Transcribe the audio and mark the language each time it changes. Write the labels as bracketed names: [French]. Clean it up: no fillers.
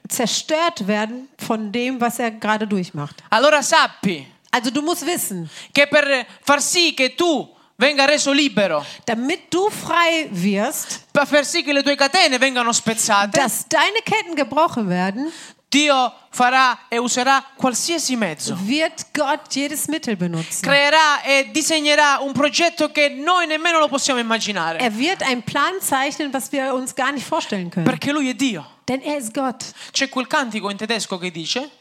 [German] zerstört werden von dem, was er gerade durchmacht. [Italian] Allora sappi, [German] also du musst wissen, [Italian] che per far sì che tu venga reso libero, [German] damit du frei wirst, [Italian] per far sì che le tue catene vengano spezzate, [German] dass deine Ketten gebrochen werden, [Italian] Dio farà e userà qualsiasi mezzo. [German] Wird Gott jedes Mittel benutzen. [Italian] Creerà e disegnerà un progetto che noi nemmeno lo possiamo immaginare. [German] Er wird einen Plan zeichnen, was wir uns gar nicht vorstellen können. [Italian] Perché lui è Dio. [German] Denn er ist Gott. [Italian] C'è quel cantico in tedesco che dice: